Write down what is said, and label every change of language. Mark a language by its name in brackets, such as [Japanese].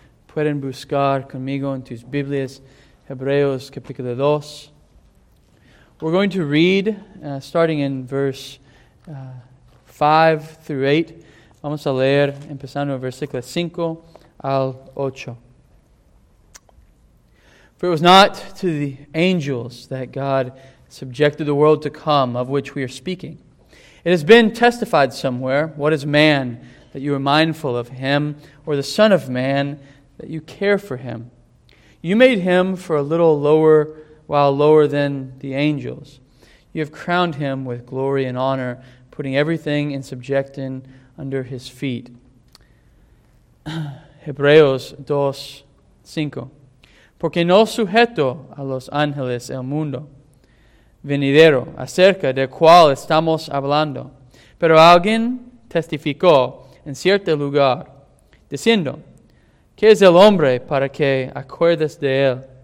[Spanish] Pueden buscar conmigo en tus Biblias, Hebreos capítulo 2. [English] We're going to read, starting in verse 5 through 8. [Spanish] Vamos a leer, empezando en versículo 5 al 8. [English] For it was not to the angels that God subjected the world to come, of which we are speaking. It has been testified somewhere, what is man that you are mindful of him, or the son of man that you care for him? You made him for a little lower, while lower than the angels. You have crowned him with glory and honor, putting everything in subjection under his feet. [Spanish] Hebreos 2:5. Porque no sujeto a los ángeles el mundo venidero, acerca del cual estamos hablando. Pero alguien testificó en cierto lugar, diciendo, ¿qué es el hombre para que acuerdes de él?